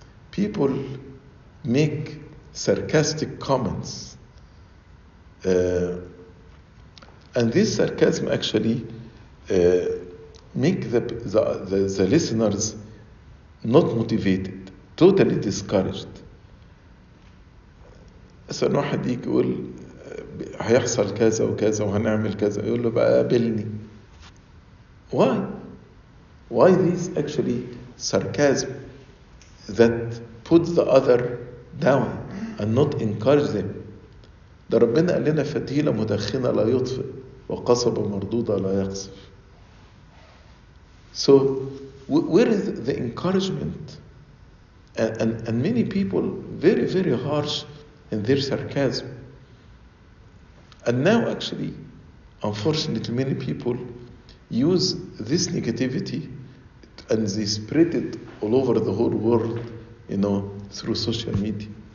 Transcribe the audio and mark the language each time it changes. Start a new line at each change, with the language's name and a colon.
English: People make sarcastic comments. And this sarcasm actually make the listeners not motivated, totally discouraged.
Arabic: مثلا واحد يجي يقول هيحصل كذا وكذا وهنعمل كذا يقول له بقى قابلني.
English: Why this actually sarcasm that puts the other down and not encourage them?
Arabic: ده ربنا قال لنا فتيلة مدخنة لا يطفئ وقصبة مردودة لا يقصف.
English: So where is the encouragement? And many people very very harsh in their sarcasm. And now actually, unfortunately, many people use this negativity and they spread it all over the whole world, you know, through social media.